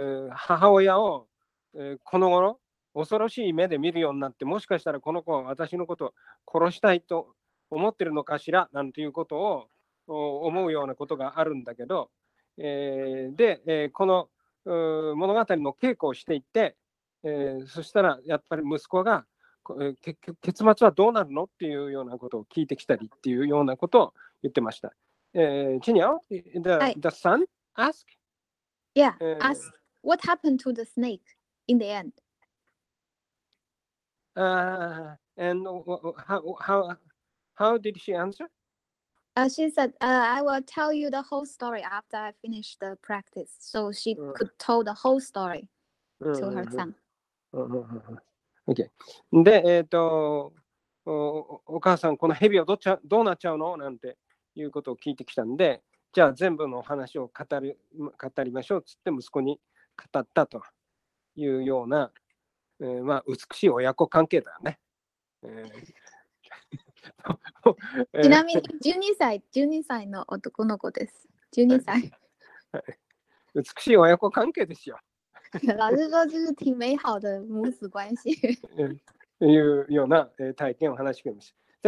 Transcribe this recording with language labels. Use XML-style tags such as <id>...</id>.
<ja>母親をこの頃恐ろしい目で見るようになって、もしかしたらこの子は私のことを殺したいと思ってるのかしら、なんていうことを思うようなことがあるんだけど、で、この物語の稽古をしていって、そしたらやっぱり息子が結末はどうなるのっていうようなことを聞いてきたりっていうようなことを言ってました。</ja> <en>チニオ、the son ask? Yeah, ask what happened to the snake in the end. And how did she answer? She said, I will tell you the whole story after I finish the practice. So she could tell the whole story to her son. Okay.</en> <ja>で、お母さん、この蛇はどうなっちゃうの？なんていうことを聞いてきたんで、じゃあ全部の話を語りましょうつって息子に語ったというような、まあ美しい親子関係だね。ちなみに12歳の男の子です。 12歳。美しい親子関係ですよ。</ja> <zh>老师说这是挺美好的母子关系。</zh> <ja>いうような体験を話してみました。</ja>